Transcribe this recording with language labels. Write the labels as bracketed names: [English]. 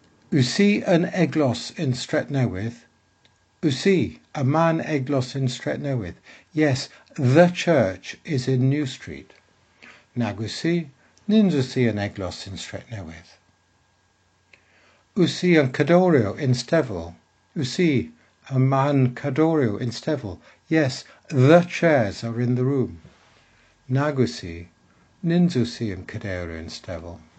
[Cornish] Wsi yn eglos yn Stretnewydd? Wsi, a man eglos yn Stretnewydd. [English] Yes, the church is in New Street. [Cornish] Nagwsi, nins wsi yn eglos yn Stretnewydd. Wsi yn Cadorio yn Stevel? Wsi, a man Cadorio yn Stevel. [English] Yes, the chairs are in the room. [Cornish] Nagwsi, nins wsi yn Cadorio yn Stevel.